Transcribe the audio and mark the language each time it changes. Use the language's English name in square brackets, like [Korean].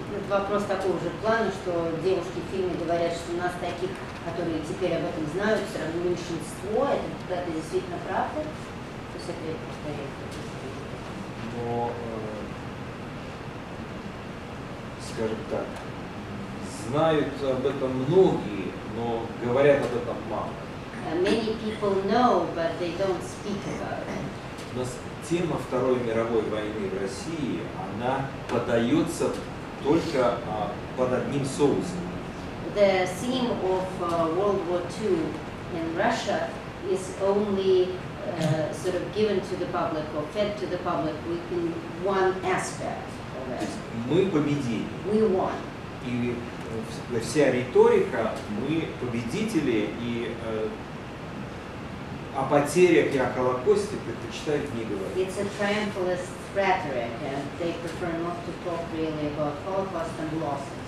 [Russian] Вопрос такого же плана, что девушки в фильме говорят, что у нас таких, которые теперь об этом знают, все равно меньшинство, это действительно правда? То есть это повторяю. Скажем так, знают об этом многие, но говорят об этом мало. [English] Many people know, but they don't speak about it. [Russian] У нас тема Второй мировой войны в России, она подается только под одним соусом. [English] The theme of World War II in Russia is only sort of given to the public or fed to the public within one aspect of it. [Russian] Мы победили. [English] We won. [Russian] И вся риторика, мы победители, и о потерях и о Холокосте предпочитают не говорить. [English] It's a triumphalist rhetoric, and they prefer not to talk really about Holocaust and losses.